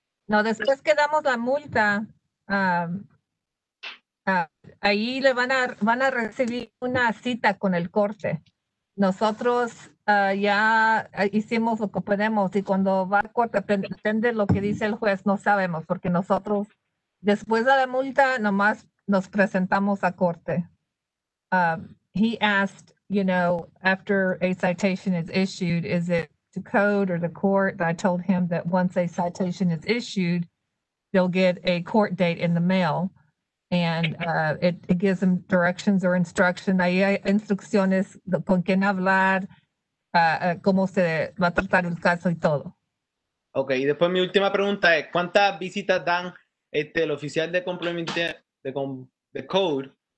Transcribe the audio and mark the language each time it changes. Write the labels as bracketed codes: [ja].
[es] No, después que damos la multa, ahí le van a recibir una cita con el corte. Nosotros ya hicimos lo que podemos y cuando va a corte, depende lo que dice el juez, no sabemos porque nosotros después de la multa nomás nos presentamos a corte. [en] He asked, you know, after a citation is issued, is it to code or the court? I told him that once a citation is issued, they'll get a court date in the mail. And it gives them directions or instruction. [es] Ahí hay instrucciones de con quién hablar, cómo se va a tratar el caso y todo. Okay, y después mi última pregunta es, ¿cuántas visitas dan el oficial de complemento de code?